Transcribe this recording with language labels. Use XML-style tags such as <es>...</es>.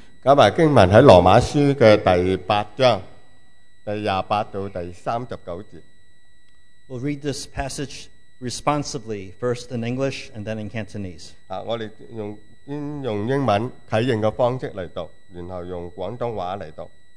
<zh>今日经文在罗马书的第八章第28到第39节。</zh> <en>We'll read this passage responsibly, first in English and then in Cantonese.</en> <zh>我们用英文启应的方式来读，然后用广东话来读。</zh>